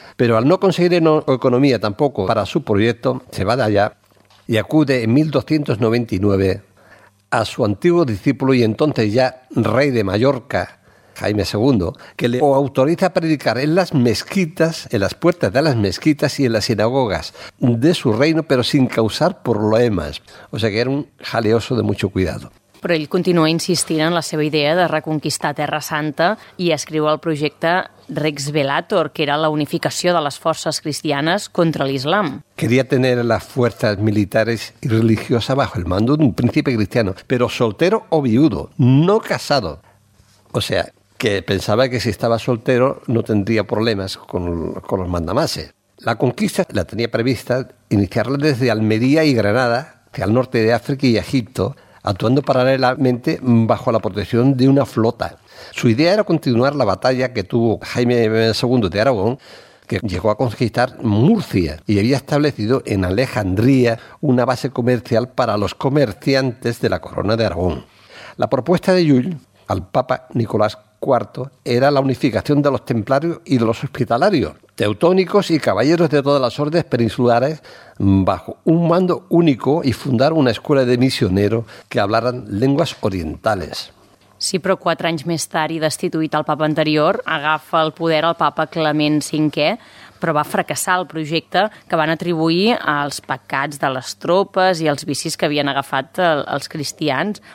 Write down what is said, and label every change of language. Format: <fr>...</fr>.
<es>Pero al no conseguir economía tampoco para su proyecto, se va de allá y acude en 1299 a su antiguo discípulo y entonces ya rey de Mallorca, Jaime II, que le autoriza a predicar en las mezquitas, en las puertas de las mezquitas y en las sinagogas de su reino, pero sin causar problemas. O sea que era un jaleoso de mucho cuidado.</es> <ca>Però ell continua insistint en la seva idea de reconquistar Terra Santa i escriu el projecte Rex Velator, que era la unificació de les forces cristianes contra l'islam.</ca> <es>Quería tener las fuerzas militares y religiosas bajo el mando de un príncipe cristiano, pero soltero o viudo, no casado. O sea, que pensaba que si estaba soltero no tendría problemas con los mandamases. La conquista la tenía prevista iniciarla desde Almería y Granada, hacia el norte de África y Egipto, actuando paralelamente bajo la protección de una flota. Su idea era continuar la batalla que tuvo Jaime II de Aragón, que llegó a conquistar Murcia y había establecido en Alejandría una base comercial para los comerciantes de la corona de Aragón. La propuesta de Llull al Papa Nicolás IV era la unificación de los templarios y de los hospitalarios, teutónicos y caballeros de todas las órdenes peninsulares bajo un mando único y fundar una escuela de misioneros que hablaran lenguas orientales.</es> <ca>Sí, però 4 anys més tard i destituït el papa anterior, agafa el poder el papa Clement V, però va fracassar el projecte que van atribuir als pecats de les tropes i als vicis que havien agafat els cristians.</ca>